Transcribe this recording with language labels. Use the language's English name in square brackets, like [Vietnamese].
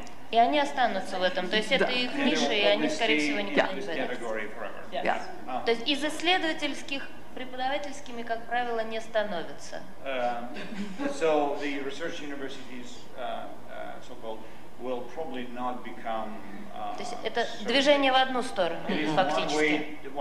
[Russian] И они останутся в этом. То есть это их ниша, и они, скорее всего, никуда не пойдут. То есть из исследовательских преподавательскими, как правило, не становятся. [English] So the research universities, so-called, will probably not become. [Russian] То есть это движение в одну сторону, фактически.